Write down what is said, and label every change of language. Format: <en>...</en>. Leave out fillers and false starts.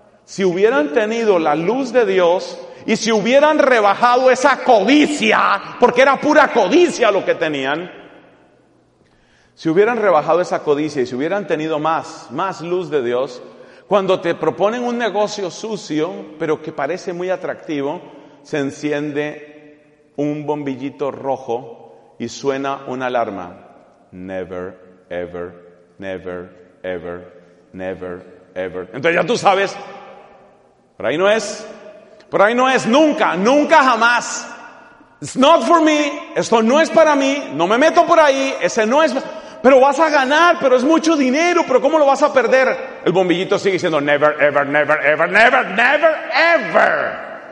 <es>Si hubieran tenido la luz de Dios y si hubieran rebajado esa codicia, porque era pura codicia lo que tenían, si hubieran rebajado esa codicia y si hubieran tenido más luz de Dios, cuando te proponen un negocio sucio, pero que parece muy atractivo, se enciende un bombillito rojo y suena una alarma.</es> <en>Never, ever, never, ever, never, ever.</en> <es>Entonces ya tú sabes, por ahí no es, nunca, nunca jamás.</es> <en>It's not for me,</en> <es>esto no es para mí, no me meto por ahí, ese no es... Pero vas a ganar, pero es mucho dinero, pero ¿cómo lo vas a perder? El bombillito sigue diciendo</es> <en>never, ever, never, ever,</en> <es>never, never, ever.</es>